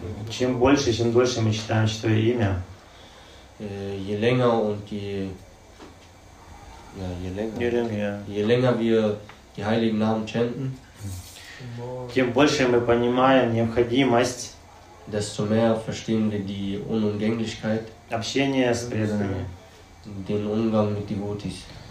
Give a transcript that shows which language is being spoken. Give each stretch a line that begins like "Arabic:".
Russian: Чем больше, чем дольше мы читаем Святое имя,
German: je länger und je je länger wir die heiligen Namen chanten,
Russian: тем больше мы понимаем необходимость,
German: desto mehr verstehen wir die Unumgänglichkeit,
Russian: общения с преданными,
German: den Umgang mit Devotees,